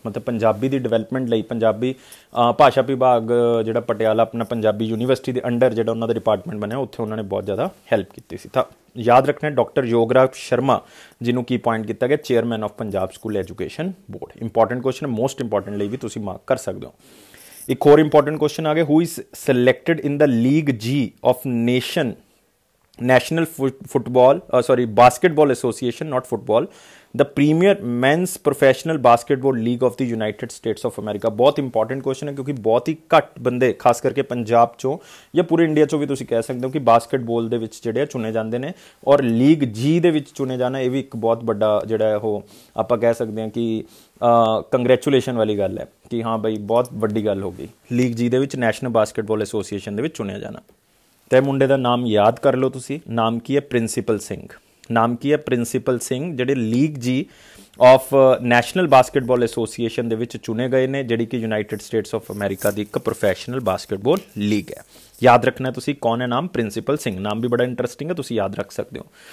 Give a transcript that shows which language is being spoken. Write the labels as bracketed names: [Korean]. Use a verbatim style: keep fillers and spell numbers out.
[Punjabi] ਮਤਲਬ ਪੰਜਾਬੀ ਦੀ ਡਿਵੈਲਪਮੈਂਟ ਲਈ ਪੰਜਾਬੀ ਅ, ਭਾਸ਼ਾ ਵਿਭਾਗ ਅ, ਜਿਹੜਾ ਪਟਿਆਲਾ ਆਪਣਾ ਪੰਜਾਬੀ ਯੂਨੀਵਰਸਿਟੀ ਦੇ ਅੰਡਰ ਜਿਹੜਾ ਉਹਨਾਂ ਦਾ ਡਿਪਾਰਟਮੈਂਟ ਬਣਿਆ, ਉੱਥੇ ਉਹਨਾਂ ਨੇ ਬਹੁਤ ਜ਼ਿਆਦਾ ਹੈਲਪ ਕੀਤੀ ਸੀ। ਤਾਂ ਯਾਦ ਰੱਖਣਾ ਡਾਕਟਰ ਯੋਗਰਾਜ ਸ਼ਰਮਾ, ਜਿਹਨੂੰ ਕੀ ਪੁਆਇੰਟ ਕੀਤਾ ਗਿਆ chairman of Punjab school education board. Important question, most important ਲਈ ਵੀ ਤੁਸੀਂ ਮਾਰਕ ਕਰ ਸਕਦੇ ਹੋ। एक और इंपॉर्टेंट क्वेश्चन आ गया, [English] Who is selected in the league G of nation national football sorry basketball association not football the premier men's professional basketball league of the United States of America. [Punjabi] बहुत important question है, क्योंकि बहुत ही घट बंदे खास करके पंजाब चों या पूरे इंडिया चों भी तुसीं कह सकते हो कि बास्केटबॉल दे विच जिहड़े चुने जांदे ने, और लीग जी दे विच चुने जाना ये भी एक बहुत बड़ा जिहड़ा ओह आपां कह सकते हैं कि ਕੰਗ੍ਰੈਚੂਲੇਸ਼ਨ ਵਾਲੀ ਗੱਲ ਹੈ ਕਿ ਹਾਂ ਬਈ ਬਹੁਤ ਵੱਡੀ ਗੱਲ ਹੋ ਗਈ, ਲੀਗ ਜੀ ਦੇ ਵਿੱਚ ਨੈਸ਼ਨਲ ਬਾਸਕਟਬਾਲ ਐਸੋਸੀਏਸ਼ਨ ਦੇ ਵਿੱਚ ਚੁਣਿਆ ਜਾਣਾ। ਤੇ ਮੁੰਡੇ ਦਾ ਨਾਮ ਯਾਦ ਕਰ ਲਓ ਤੁਸੀਂ, ਨਾਮ ਕੀ ਹੈ ਪ੍ਰਿੰਸੀਪਲ ਸਿੰਘ। ਨਾਮ ਕੀ ਹੈ ਪ੍ਰਿੰਸੀਪਲ ਸਿੰਘ, ਜਿਹੜੇ ਲੀਗ ਜੀ ਆਫ ਨੈਸ਼ਨਲ ਬਾਸਕਟਬਾਲ ਐਸੋਸੀਏਸ਼ਨ ਦੇ ਵਿੱਚ ਚੁਣੇ ਗਏ ਨੇ, ਜਿਹੜੀ ਕਿ ਯੂਨਾਈਟਿਡ ਸਟੇਟਸ ਆਫ ਅਮਰੀਕਾ ਦੀ ਇੱਕ ਪ੍ਰੋਫੈਸ਼ਨਲ ਬਾਸਕਟਬਾਲ ਲੀਗ ਹੈ। ਯਾਦ ਰੱਖਣਾ ਤੁਸੀਂ ਕੌਣ ਹੈ, ਨਾਮ ਪ੍ਰਿੰਸੀਪਲ ਸਿੰਘ। ਨਾਮ ਵੀ ਬੜਾ ਇੰਟਰਸਟਿੰਗ ਹੈ, ਤੁਸੀਂ ਯਾਦ ਰੱਖ ਸਕਦੇ ਹੋ।